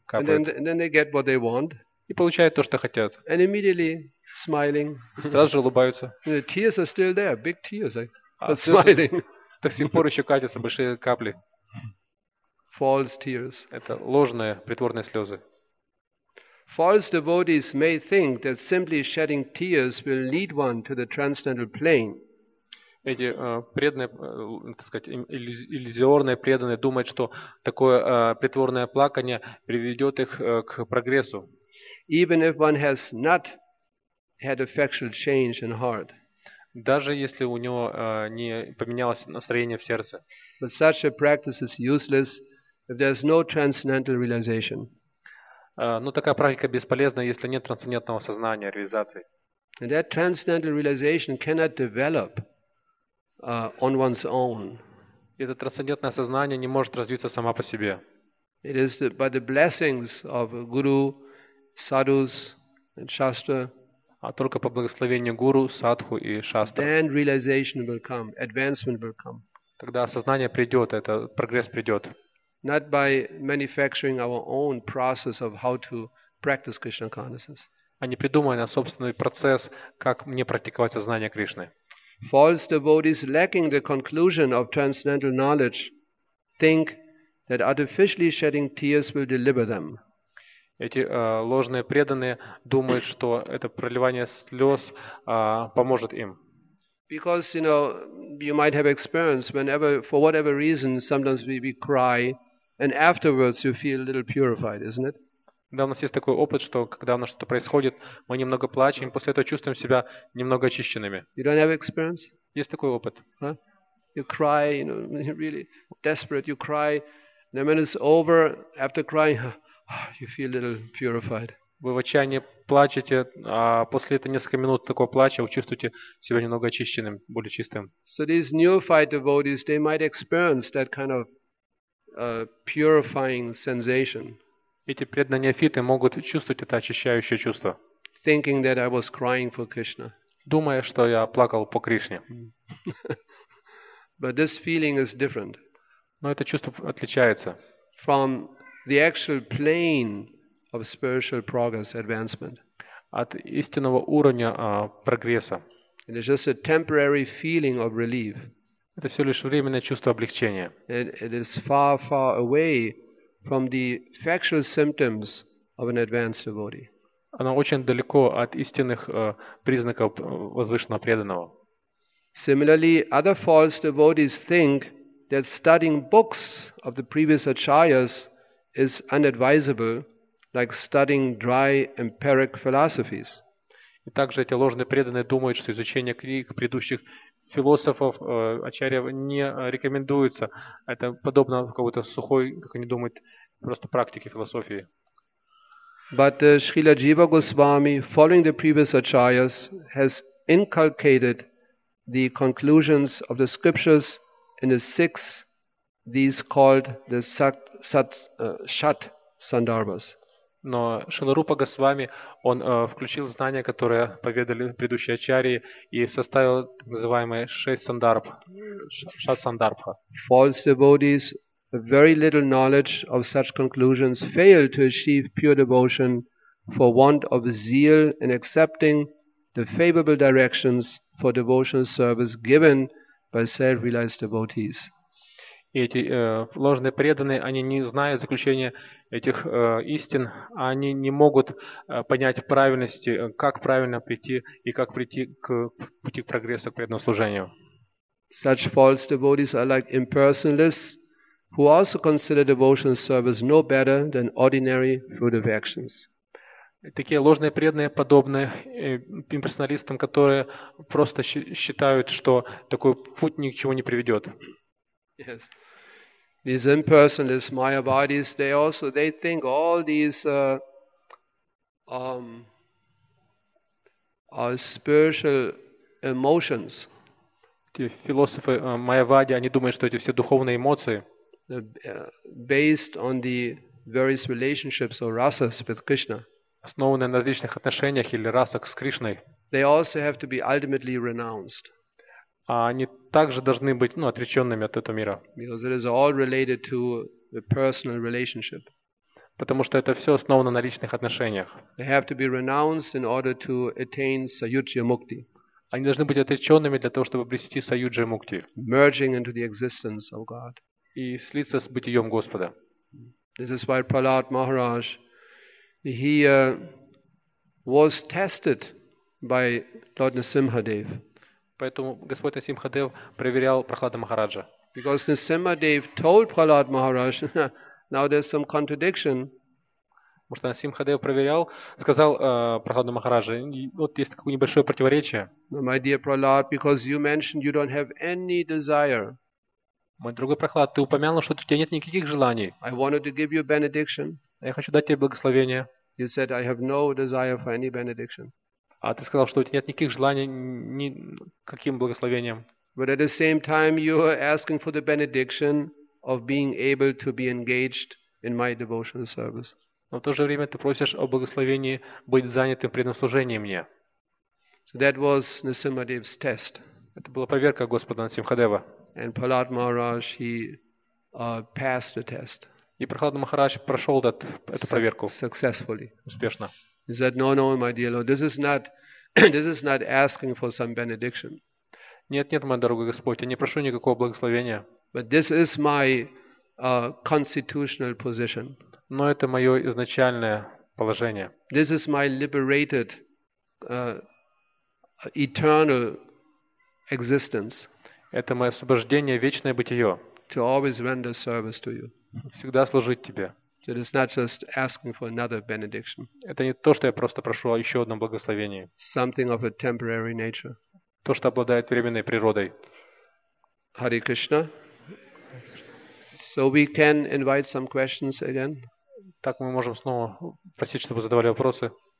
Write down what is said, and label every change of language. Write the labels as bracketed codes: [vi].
[en] And then they get what they want. [ru] И получают то, что хотят. [en] And immediately smiling. [ru] И сразу же улыбаются. [en] And the tears are still there. Big tears. But smiling. [ru] До сих пор еще катятся большие капли. [en] False tears. [ru] Это ложные, притворные слезы. [en] False devotees may think that simply shedding tears will lead one to the transcendental plane. [ru] Эти преданные, так сказать, иллюзорные преданные думают, что такое притворное плакание приведет их к прогрессу. [en] Even if one has not had effectual change in heart. [ru] Даже если у него не поменялось настроение в сердце. [en] But such a practice is useless if there is no transcendental realization. [ru] Но такая практика бесполезна, если нет трансцендентного сознания, реализации. [en] And that transcendental realization cannot develop on one's own. [ru] Это трансцендентное сознание не может развиться само по себе. [en] It is by the blessings of guru, sadhus, and shastra. [ru] А только по благословению гуру, садху и шастры. [en] Then realization will come, advancement will come. [ru] Тогда осознание придет, это прогресс придет. [en] Not by manufacturing our own process of how to practice Krishna consciousness. [ru] А не придумывая на собственный процесс, как мне практиковать сознание Кришны. [en] False devotees lacking the conclusion of transcendental knowledge think that artificially shedding tears will deliver them. [ru] Эти ложные преданные думают, что это проливание слез поможет им. [en] Because, you know, you might have experience whenever, for whatever reason, sometimes we cry. And afterwards you feel a little purified, isn't it? [ru] Да, у нас есть такой опыт, что когда у нас что-то происходит, мы немного плачем, после этого чувствуем себя немного очищенными. [en] You don't have experience? [ru] Есть такой опыт. [en] Huh? You cry, you know, really desperate, you cry. And then when it's over, after crying, you feel a little purified. [ru] Вы в отчаянии плачете, а после этого несколько минут такого плача вы чувствуете себя немного очищенным, более чистым. [en] So these neophyte devotees, they might experience that kind of purifying sensation. [ru] Эти преданные неофиты могут чувствовать это очищающее чувство. [en] Thinking that I was crying for Krishna. [ru] Думая, что я плакал по Кришне. [en] But this feeling is different. [ru] Но это чувство отличается. [en] From the actual plane of spiritual progress, advancement. [ru] От истинного уровня прогресса. [en] It is just a temporary feeling of relief. [ru] Это все лишь временное чувство облегчения. [en] It is far, far away from the factual symptoms of an advanced devotee. [ru] Оно очень далеко от истинных признаков возвышенного преданного. [en] Similarly, other false devotees think that studying books of the previous acharyas is unadvisable, like studying dry empiric philosophies. [ru] И также эти ложные преданные думают, что изучение книг предыдущих философов ачарьев не рекомендуется. Это подобно какой-то сухой, как они думают, просто практике философии. [en] But Srila Jiva Goswami, following the previous acharyas, has inculcated the conclusions of the scriptures in his six, these called the Shat Sandarbhas. [ru] Но Шрила Рупа Госвами, он включил знания, которые поведали предыдущие ачарьи, и составил так называемые шесть сандарб, шат сандарбха. [en] False devotees, very little knowledge of such conclusions, fail to achieve pure devotion for want of zeal in accepting the favorable directions for devotional service given by self-realized devotees. [ru] И эти ложные преданные, они не зная заключения этих истин, они не могут понять правильности, как правильно прийти и как прийти к пути прогресса, к преданному служению. [en] Such false devotees are like impersonalists who also consider devotional service no better than ordinary fruitive actions. [ru] Такие ложные преданные подобны имперсоналистам, которые просто считают, что такой путь ни к чему не приведет. [en] Yes. These impersonalists, mayavadis, they think all these spiritual emotions. [ru] Эти философы майявади, они думают, что эти все духовные эмоции [en] based on the various relationships or rasas with Krishna. [ru] Основаны на различных отношениях или расах с Кришной. [en] They also have to be ultimately renounced. [ru] А они также должны быть, ну, отреченными от этого мира. [en] Because it is all related to the personal relationship. [ru] Потому что это все основано на личных отношениях. [en] They have to be renounced in order to attain Sayujya Mukti. [ru] Они должны быть отреченными для того, чтобы обрести Sayujya Mukti. [en] Merging into the existence of God. [ru] И слиться с бытием Господа. [en] This is why Prahlad Maharaj, he was tested by Lord Nisimhadev. [ru] Поэтому Господь Насимхадев проверял Прахлада Махараджа. [en] Because Nisimhadev told Prahlad Maharaj, now there's some contradiction. [ru] Потому что Насимхадев проверял, сказал Прахладу Махараджа, вот есть такое небольшое противоречие. [en] My dear Prahlad, because you mentioned you don't have any desire. [ru] Мой другой Прахлад, ты упомянул, что у тебя нет никаких желаний. [en] I wanted to give you benediction. [ru] Я хочу дать тебе благословение. [en] You said I have no desire for any benediction. [ru] А ты сказал, что у тебя нет никаких желаний ни каким благословением. [en] But at the same time you are asking for the benediction of being able to be engaged in my devotional service. [ru] Но в то же время ты просишь о благословении быть занятым преданным служением мне. [en] So that was Nisimhadev's test. [ru] Это была проверка Господа Насимхадева. [en] And Prahlad Maharaj passed the test. [ru] И Прахлада Махарадж прошел эту проверку [en] successfully. [ru] Успешно. [en] He said, "No, no, my dear Lord, this is not asking for some benediction." [ru] Нет, нет, мой дорогой Господь, я не прошу никакого благословения. [en] But this is my constitutional position. [ru] Но это мое изначальное положение. [en] This is my liberated eternal existence. [ru] Это мое освобождение, вечное бытие. [en] To always render service to you. [ru] Всегда служить тебе. [en] It is not just asking for another benediction. [ru] Это не то, что я просто прошу о еще одном благословении. [en] Something of a temporary nature. [ru] То, что обладает временной природой. [en] Hare Krishna. So we can invite some questions again. [ru] Так мы можем снова просить, чтобы задавали вопросы.